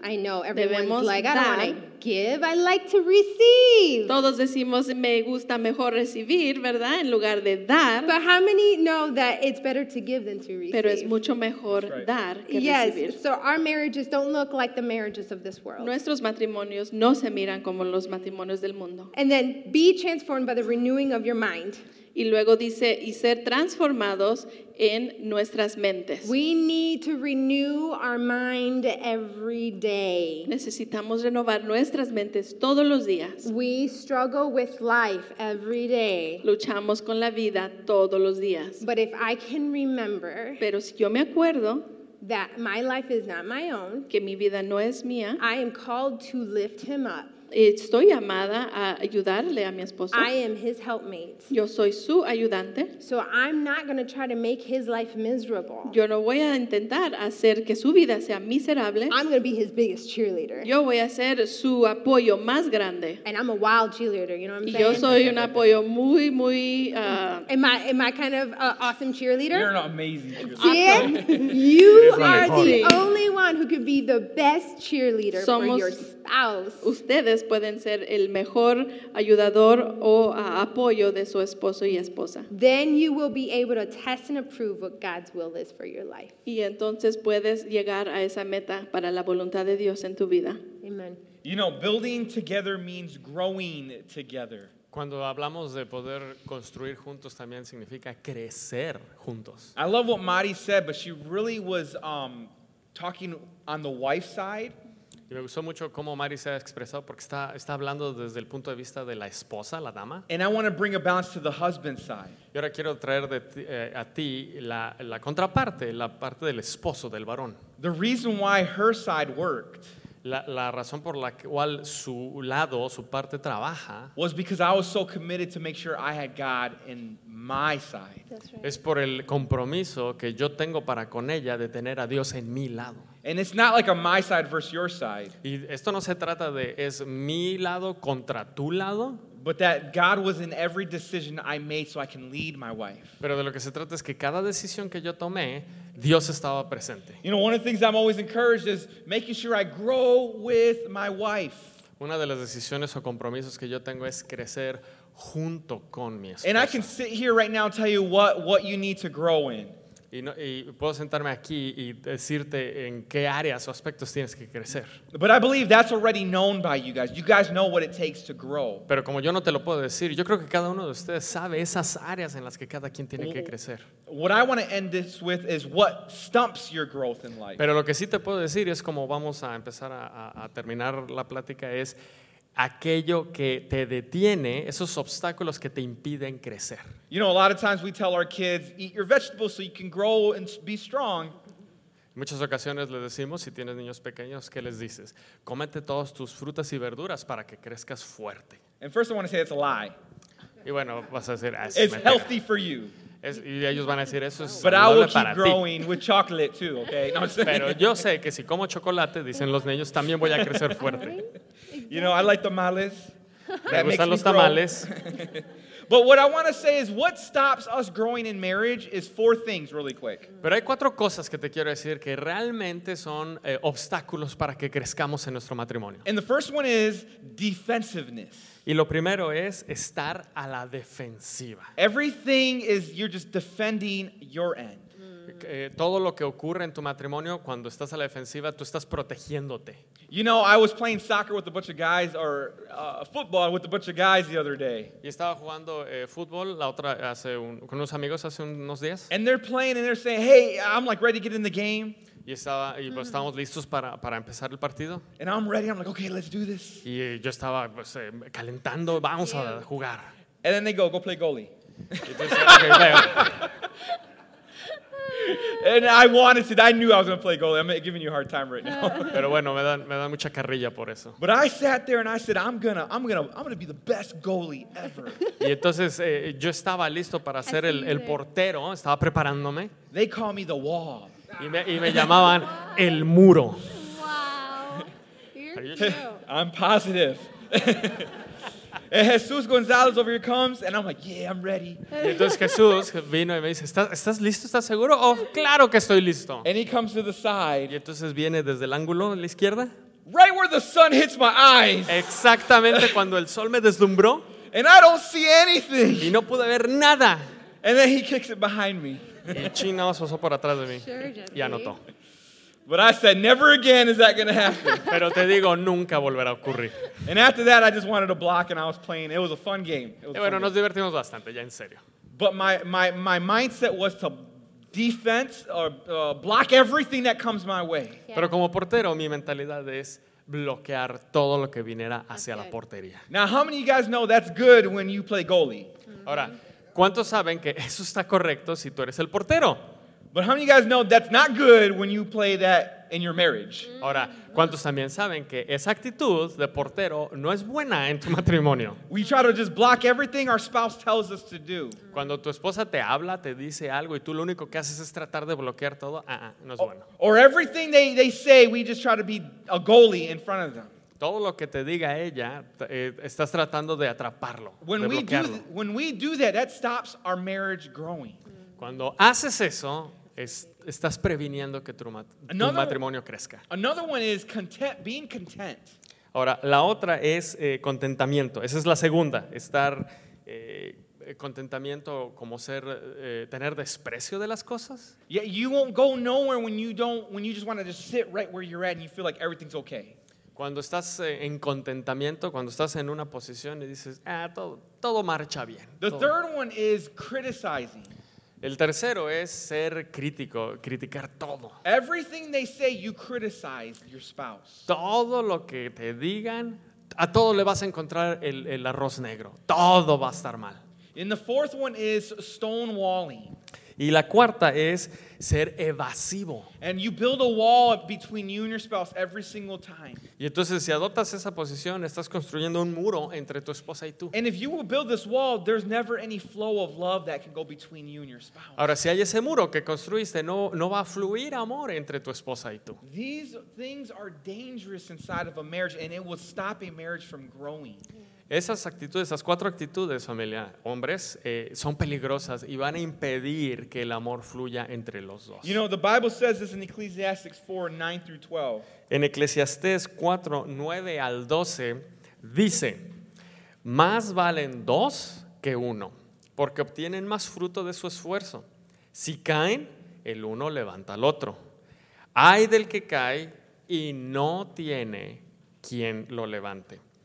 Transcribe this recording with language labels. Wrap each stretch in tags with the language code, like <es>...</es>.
<en>I know everyone's</en> <es>debemos</es> <en>like,</en> <es>dar.</es> <en>I don't want to give, I like to receive.</en> <es>Todos decimos me gusta mejor recibir, ¿verdad? En lugar de dar.</es> <en>But how many know that it's better to give than to receive?</en> <es>Pero es mucho mejor</es> <en>right.</en> <es>dar que</es> <en>yes.</en> <es>recibir.</es> <en>Yes, so our marriages don't look like the marriages of this world.</en> <es>Nuestros matrimonios no se miran como los matrimonios del mundo.</es> <en>And then be transformed by the renewing of your mind.</en> <es>Y luego dice, y ser transformados en nuestras mentes.</es> <en>We need to renew our mind every day.</en> <es>Necesitamos renovar nuestras mentes todos los días.</es> <en>We struggle with life every day.</en> <es>Luchamos con la vida todos los días.</es> <en>But if I can remember,</en> <es>pero si yo me acuerdo,</es> <en>that my life is not my own,</en> <es>que mi vida no es mía,</es> <en>I am called to lift him up.</en> <es>Estoy llamada a ayudarle a mi esposo.</es> <en>I am his helpmate.</en> <es>Yo soy su ayudante.</es> <en>So I'm not going to try to make his life miserable.</en> <es>Yo no voy a intentar hacer que su vida sea miserable.</es> <en>I'm going to be his biggest cheerleader.</en> <es>Yo voy a ser su apoyo más grande.</es> <en>And I'm a wild cheerleader, you know what I'm</en> <es>yo</es> <en>saying?</en> <es>Yo soy un apoyo muy, muy...</es> <en>Am I kind of an awesome cheerleader? You're an amazing cheerleader. Awesome. You are the only one who could be the best cheerleader</en> <es>somos</es> <en>for your spouse.</en> <es>Ustedes. Pueden ser el mejor ayudador o apoyo de su esposo y esposa.</es> <en>Then you will be able to test and approve what God's will is for your life.</en> <es>Y entonces puedes llegar a esa meta para la voluntad de Dios en tu vida.</es> <en>Amen. You know, building together means growing together.</en> <es>Cuando hablamos de poder construir juntos también significa crecer juntos.</es> <en>I love what Mari said, but she really was talking on the wife side.</en> <es>Y me gustó mucho cómo Mari se ha expresado porque está hablando desde el punto de vista de la esposa, la dama.</es> <en>And I want to bring a balance to the husband's side.</en> <es>Y ahora quiero traer a ti la contraparte, la parte del esposo, del varón.</es> <en>The reason why her side worked.</en> <es>La razón por la cual su lado, su parte trabaja.</es> <en>Was because I was so committed to make sure I had God in my side. That's right.</en> <es>Es por el compromiso que yo tengo para con ella de tener a Dios en mi lado.</es> <en>And it's not like a my side versus your side.</en> <es>Y esto no se trata de es mi lado contra tu lado.</es> <en>But that God was in every decision I made so I can lead my wife.</en> <es>Pero de lo que se trata es que cada decisión que yo tomé, Dios estaba presente.</es> <en>You know, one of the things I'm always encouraged is making sure I grow with my wife.</en> <es>Una de las decisiones o compromisos que yo tengo es crecer junto con mi esposa.</es> <en>And I can sit here right now and tell you what you need to grow in.</en> <es>Y puedo sentarme aquí y decirte en qué áreas o aspectos tienes que crecer.</es> <en>But I believe that's already known by you guys. You guys know what it takes to grow.</en> <es>Pero como yo no te lo puedo decir, yo creo que cada uno de ustedes sabe esas áreas en las que cada quien tiene que crecer.</es> <en>What I want to end this with is what stumps your growth in life.</en> <es>Pero lo que sí te puedo decir es como vamos a empezar a terminar la plática es aquello que te detiene, esos obstáculos que te impiden crecer.</es> <en>You know, a lot of times we tell our kids, eat your vegetables so you can grow and be strong.</en> <es>Muchas ocasiones les decimos, si tienes niños pequeños, ¿qué les dices? Cómete todas tus frutas y verduras para que crezcas fuerte.</es> <en>And first I want to say it's a lie.</en> <es>Y bueno, vas a decir, es mentira.</es> <en>Healthy for you.</en> <es>Y ellos van a decir, eso es saludable para ti.</es> <en>But I will keep growing with chocolate too, okay?</en> <es>No, pero yo sé que si como chocolate, dicen los niños, también voy a crecer fuerte.</es> <en>You know, I like tamales.</en> <es>Me gustan los tamales.</es> <en>But what I want to say is what stops us growing in marriage is four things really quick.</en> <es>Pero hay cuatro cosas que te quiero decir que realmente son obstáculos para que crezcamos en nuestro matrimonio.</es> <en>And the first one is defensiveness.</en> <es>Y lo primero es estar a la defensiva.</es> <en>Everything is you're just defending your end.</en> <es>Todo lo que ocurre en tu matrimonio cuando estás a la defensiva, tú estás protegiéndote.</es> <en>You know, I was playing soccer with a bunch of guys or football with a bunch of guys the other day.</en> <es>Y estaba jugando fútbol la otra hace con unos amigos hace unos días.</es> <en>And they're playing and they're saying, "Hey, I'm like ready to get in the game."</en> <es>Y pues estábamos listos para empezar el partido.</es> <en>And I'm ready. I'm like, "Okay, let's do this."</en> <es>Y yo estaba pues calentando, vamos a jugar.</es> <en>And then they go play goalie. And I wanted to. I knew I was going to play goalie. I'm giving you a hard time right now.</en> <es>Pero bueno, me dan mucha carrilla por eso.</es> <en>But I sat there and I said, I'm gonna be the best goalie ever.</en> <es>Y entonces yo estaba listo para ser el portero. Estaba preparándome.</es> <en>They call me the wall.</en> <es>Y me llamaban el muro.</es> <en>Wow. You're true. I'm positive. And Jesus Gonzalez over here comes, and I'm like, "Yeah, I'm ready."</en> <es>Y entonces Jesús vino y me dice, ¿Estás listo? ¿Estás seguro? Oh, claro que estoy listo.</es> <en>And he comes to the side.</en> <es>Y entonces viene desde el ángulo a la izquierda.</es> <en>Right where the sun hits my eyes.</en> <es>Exactamente cuando el sol me deslumbró.</es> <en>And I don't see anything.</en> <es>Y no pude ver nada.</es> <en>And then he kicks it behind me.</en> <es>Y China pasó por atrás de mí.</es> <en>Sure,</en> <es>y anotó.</es> <en>But I said, never again is that going to happen.</en> <es>Pero te digo, nunca volverá a ocurrir.</es> <en>And after that, I just wanted to block and I was playing. It was a fun game.</en> <es>Bueno, nos divertimos bastante, ya en serio.</es> <en>But my mindset was to defense or block everything that comes my way. Yeah.</en> <es>Pero como portero, mi mentalidad es bloquear todo lo que viniera hacia la portería.</es> <en>Now, how many of you guys know that's good when you play goalie?</en> <es>Ahora, ¿cuántos saben que eso está correcto si tú eres el portero?</es> <en>But how many of you guys know that's not good when you play that in your marriage?</en> <es>Ahora, ¿cuántos también saben que esa actitud de portero no es buena en tu matrimonio?</es> <en>We try to just block everything our spouse tells us to do.</en> <es>Cuando tu esposa te habla, te dice algo, y tú lo único que haces es tratar de bloquear todo, no es bueno.</es> <en>Or everything they say, we just try to be a goalie in front of them.</en> <es>Todo lo que te diga ella, estás tratando de atraparlo,</es> <en>when</en> <es>de</es> <en>we</en> <es>bloquearlo.</es> <en>When we do that, that stops our marriage growing.</en> <es>Cuando haces eso, estás previniendo que tu matrimonio crezca.</es> <en>Another one is content, being content.</en> <es>Ahora, la otra es contentamiento. Esa es la segunda. Estar contentamiento como ser, tener desprecio de las cosas.</es> <en>Yeah, you won't go nowhere when you just want to just sit right where you're at and you feel like everything's okay.</en> <es>Cuando estás en contentamiento, cuando estás en una posición y dices, todo marcha bien.</es> <en>The third one is criticizing.</en> <es>El tercero es ser crítico, criticar todo.</es> <en>Everything they say, you criticize your spouse.</en> <es>Todo lo que te digan, a todo le vas a encontrar el arroz negro. Todo va a estar mal.</es> <en>And the fourth one is stonewalling.</en> <es>Y la cuarta es ser evasivo.</es> <en>And you build a wall between you and your spouse every single time.</en> <es>Y entonces si adoptas esa posición, estás construyendo un muro entre tu esposa y tú.</es> <en>And if you will build this wall, there's never any flow of love that can go between you and your spouse.</en> <es>Ahora si hay ese muro que construiste, no va a fluir amor entre tu esposa y tú.</es> <en>These things are dangerous inside of a marriage and it will stop a marriage from growing.</en> <es>Esas actitudes, esas cuatro actitudes, familia, hombres, son peligrosas y van a impedir que el amor fluya entre los dos.</es> <en>You know, the Bible says this in Ecclesiastes 4, 9 through 12.</en> <es>En Ecclesiastes 4, 9 al 12, dice, más valen dos que uno, porque obtienen más fruto de su esfuerzo. Si caen, el uno levanta al otro. Ay del que cae y no tiene quien lo levante.</es>